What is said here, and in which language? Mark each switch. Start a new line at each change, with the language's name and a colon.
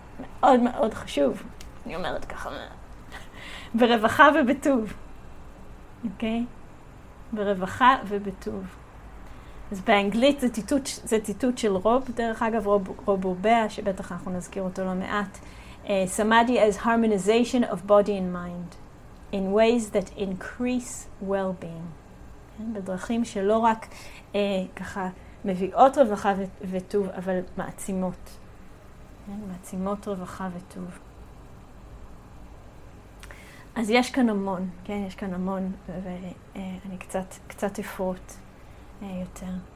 Hebrew: מאוד מאוד חשוב. אני אומרת ככה. ברווחה ובטוב. אוקיי? ברווחה ובטוב. אז באנגלית זה ציטוט של רוב, דרך אגב, רוב רובה, שבטח אנחנו נזכיר אותו לא מעט.
English: Samadhi as harmonization of body and mind in ways that increase well-being.
Hebrew: כן? בדרכים שלא רק ככה מביאות רווחה וטוב, אבל מעצימות. כן? מעצימות רווחה וטוב. אז יש כאן המון, כן? יש כאן המון, ואני קצת אפרות. יותר.